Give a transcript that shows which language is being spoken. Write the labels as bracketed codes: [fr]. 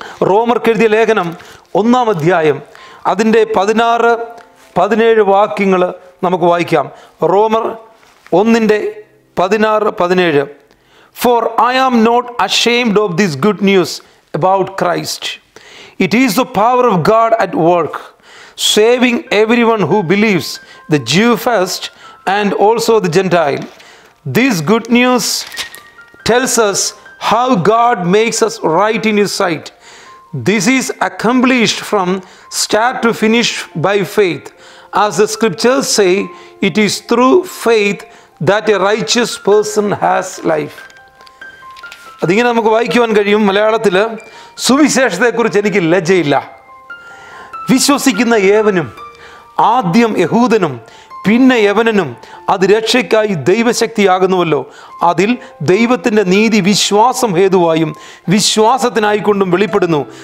[ml] റോമർക്ക് എഴുതിയ ലേഖനം 1-ാം അധ്യായം അതിൻ്റെ 16-17 വാക്യങ്ങൾ നമുക്ക് വായിക്കാം. റോമർ 1:16-17. [en] For I am not ashamed of this good news about Christ. It is the power of God at work saving everyone who believes, the Jew first and also the Gentile. This good news tells us how God makes us right in His sight. This is accomplished from start to finish by faith. As the scriptures say, it is through faith that a righteous person has life. [ml] അതിങ്ങനെ നമുക്ക് വായിക്കുവാൻ കഴിയും. മലയാളത്തിൽ സുവിശേഷത്തെക്കുറിച്ച് എനിക്ക് ലജ്ജയില്ല. വിശ്വസിക്കുന്ന ഏവനും, ആദ്യം യഹൂദനും പിന്നെ യവനനും, അത് രക്ഷയ്ക്കായി ദൈവശക്തിയാകുന്നുവല്ലോ. അതിൽ ദൈവത്തിൻ്റെ നീതി വിശ്വാസം ഹേതുവായും വിശ്വാസത്തിനായിക്കൊണ്ടും വെളിപ്പെടുന്നു.